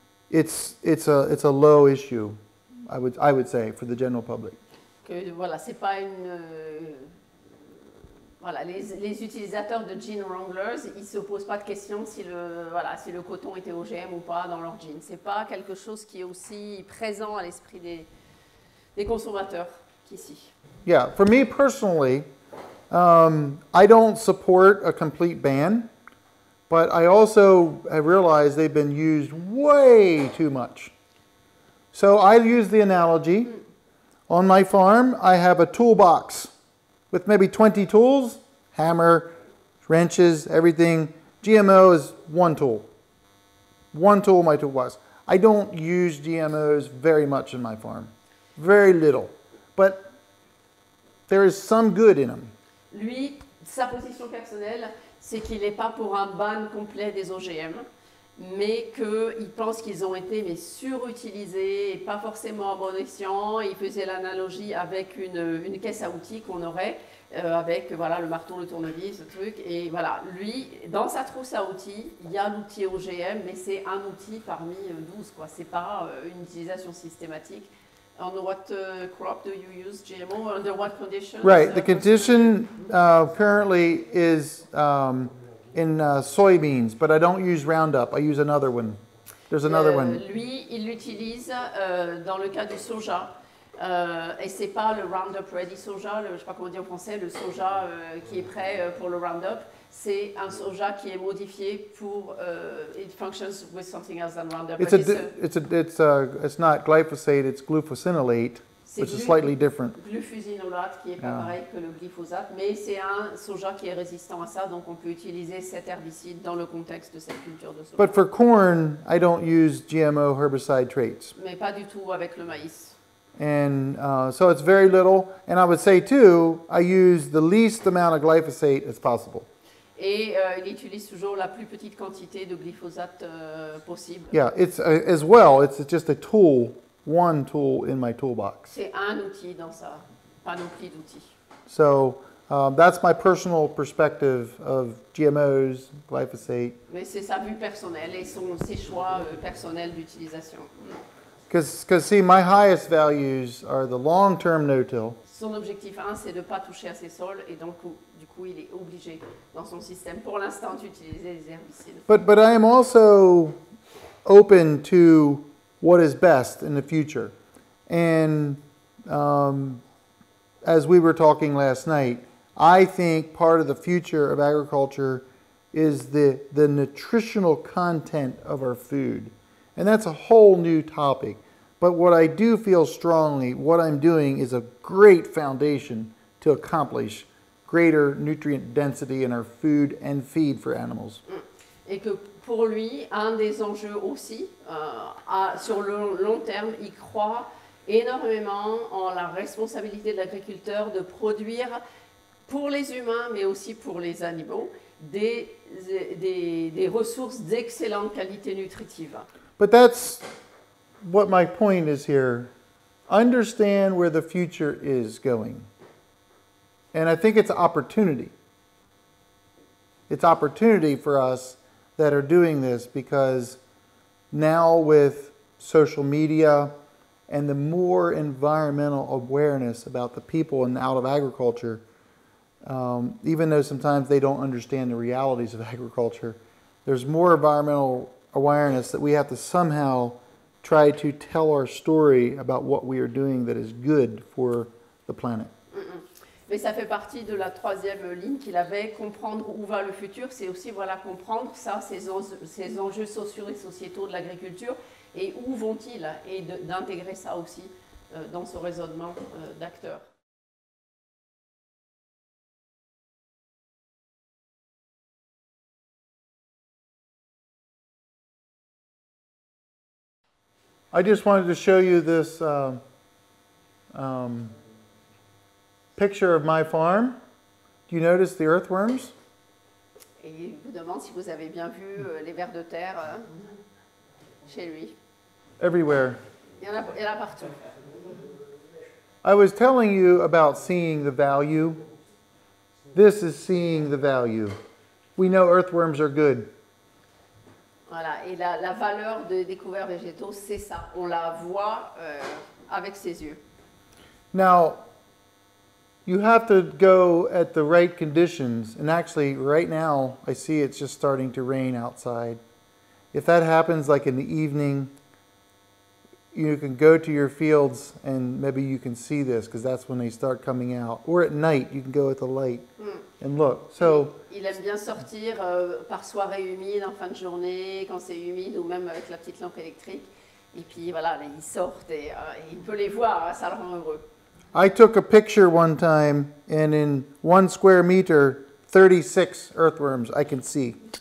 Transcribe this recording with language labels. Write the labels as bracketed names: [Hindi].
[English] It's a low issue, I would say, for the general public. [French] Que voilà, c'est pas une voilà, les utilisateurs de jeans Wranglers, ils se posent pas de question si le coton était OGM ou pas dans leurs jeans. C'est pas quelque chose qui est aussi présent à l'esprit des consommateurs qu'ici. [English] Yeah, for me personally, I don't support a complete ban. But I also have realized they've been used way too much. So I use the analogy. On my farm, I have a toolbox with maybe 20 tools, hammer, wrenches, everything. GMO is one tool. One tool in my toolbox. I don't use GMOs very much in my farm. Very little. But there is some good in them. [French] Lui, sa position personnelle, c'est qu'il n'est pas pour un ban complet des OGM, mais qu'il pense qu'ils ont été mais surutilisés et pas forcément à bon escient. Il faisait l'analogie avec une caisse à outils qu'on aurait avec voilà, le marteau, le tournevis, ce truc. Et voilà, lui, dans sa trousse à outils, il y a l'outil OGM, mais c'est un outil parmi 12. Ce n'est pas une utilisation systématique. [English] On what crop do you use GMO? Under what conditions? Right, the condition currently is in soybeans, but I don't use Roundup. I use another one. There's another one. [French] Lui, il l'utilise dans le cas du soja. Et c'est pas le Roundup Ready soja, je sais pas comment dire en français, le soja qui est prêt pour le Roundup. C'est un soja qui est modifié pour [English] it functions with something else than Roundup. It's not glyphosate, it's glufosinolate, which is slightly different. [French] Glufosinolate qui est pas pareil que le glyphosate, mais c'est un soja qui est résistant à ça, donc on peut utiliser cet herbicide dans le contexte de cette culture de soja. [English] But for corn, I don't use GMO herbicide traits. [French] Mais pas du tout avec le maïs. [English] And so it's very little. And I would say too, I use the least amount of glyphosate as possible. [French] Et il utilise toujours la plus petite quantité de glyphosate possible. [English] Yeah, it's just a tool, one tool in my toolbox. [French] C'est un outil dans sa panoplie d'outils. [English] So that's my personal perspective of GMOs, glyphosate. [French] Mais c'est sa vue personnelle et ses choix personnels d'utilisation. [English] Because see, my highest values are the long-term no-till. [French] Son objectif 1, c'est de ne pas toucher à ses sols, et donc, du coup, il est obligé, dans son système, pour l'instant, d'utiliser les herbicides. [English] But I am also open to what is best in the future. And as we were talking last night, I think part of the future of agriculture is the nutritional content of our food. And that's a whole new topic. But what I do feel strongly, what I'm doing is a great foundation to accomplish greater nutrient density in our food and feed for animals. [French] Et que pour lui, un des enjeux aussi, sur le long terme, il croit énormément en la responsabilité de l'agriculteur de produire pour les humains, mais aussi pour les animaux, des ressources d'excellente qualité nutritive. [English] But that's what my point is here. Understand where the future is going. And I think it's opportunity. It's opportunity for us that are doing this because now with social media and the more environmental awareness about the people and out of agriculture, even though sometimes they don't understand the realities of agriculture, there's more environmental awareness that we have to somehow try to tell our story about what we are doing that is good for the planet. [French] Mais ça fait partie de la troisième ligne qu'il avait, comprendre où va le futur, c'est aussi, voilà, comprendre ça, ces enjeux sociaux et sociétaux de l'agriculture, et où vont-ils, et d'intégrer ça aussi dans ce raisonnement d'acteurs. [English] I just wanted to show you this picture of my farm. Do you notice the earthworms? [French] Et il vous demande si vous avez bien vu les vers de terre chez lui. [English] Everywhere. [French] Il y en a partout. [English] I was telling you about seeing the value. This is seeing the value. We know earthworms are good. [French] Voilà, et la valeur des couverts végétaux, c'est ça. On la voit avec ses yeux. [English] Now, you have to go at the right conditions. And actually, right now, I see it's just starting to rain outside. If that happens, like in the evening, you can go to your fields and maybe you can see this, because that's when they start coming out. Or at night, you can go with the light. And look, so... [French] Il aime bien sortir par soirée humide, en fin de journée, quand c'est humide, ou même avec la petite lampe électrique. Et puis, voilà, ils sortent et il peut les voir, ça le rend heureux. [English] I took a picture one time, and in 1 square meter, 36 earthworms, I can see.